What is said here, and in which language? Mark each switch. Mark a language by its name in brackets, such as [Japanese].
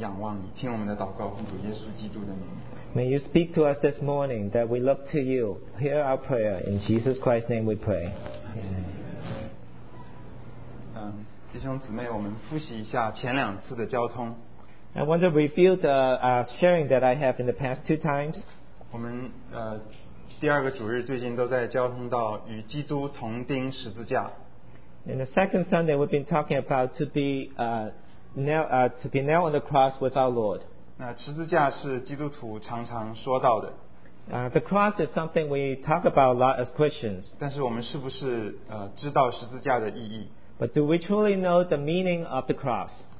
[Chinese] 但愿你自己在这里能向我们说话，让我们这个早上不白白的坐在这里，我们仰望你，听我们的祷告，奉主耶稣基督的名。 [English] May you speak to us this morning that we look to you. Hear our prayer. In Jesus Christ's name we pray. Amen. [Chinese] 弟兄姊妹，我们复习一下前两次的交通。 [English] I want to review the sharing that I have in the past two times. [Chinese] 我们第二个主日最近都在交通到与基督同钉十字架。 [English] In the second Sunday, we've been talking about to be nailed on the cross with our Lord. [Chinese] 那十字架是基督徒常常说到的。 [English] The cross is something we talk about a lot as Christians. [Chinese] 但是我们是不是知道十字架的意义？ [English] But do we truly know the meaning of the cross?